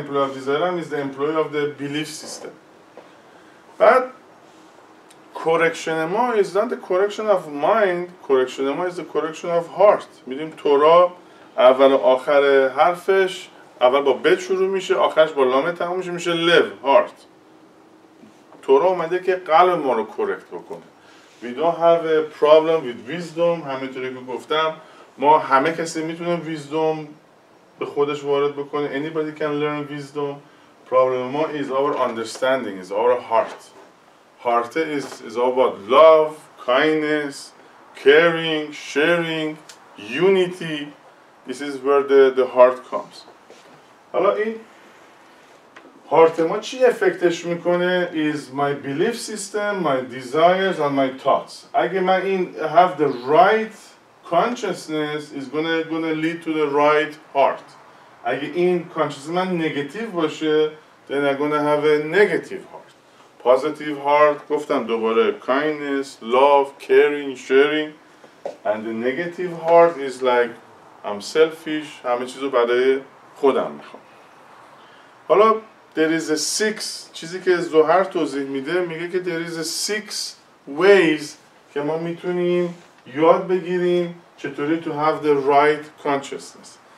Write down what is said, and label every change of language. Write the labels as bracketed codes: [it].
[en] Employee of desire is the employee of the belief system. But correction ما is not the correction of mind. Correction ما is the correction of heart. [fa] میدیم تورا اول و آخر حرفش اول با بت شروع میشه، آخرش با لامه تموم میشه، میشه لیو، heart. تورا اومده که قلب ما رو کرکت بکنه. [en] We don't have a problem with wisdom. [fa] همینطوری که گفتم ما همه کسی میتونه wisdom به خودش وارد بکنه. [en] Anybody can learn wisdom. Problem ما is our understanding, is our heart. Heart is about love, kindness, caring, sharing, unity. This is where the heart comes. [fa] حالا این heart ما چی افکتش میکنه؟ [en] Is my belief system, my desires and my thoughts. [fa] اگه من این [en] have the right consciousness, is gonna lead to the right heart. [fa] اگه این consciousness من نگتیو باشه، [en] then I'm gonna have a negative heart. Positive heart [fa] گفتم دوباره [en] kindness, love, caring, sharing. And the negative heart is like I'm selfish. [fa] همه چیزو برای خودم میخوام. حالا there is a six. چیزی که زوهر توضیح میده، میگه که [en] there is a six ways [fa] که ما میتونیم یاد بگیریم چطوری [en] to have the right consciousness.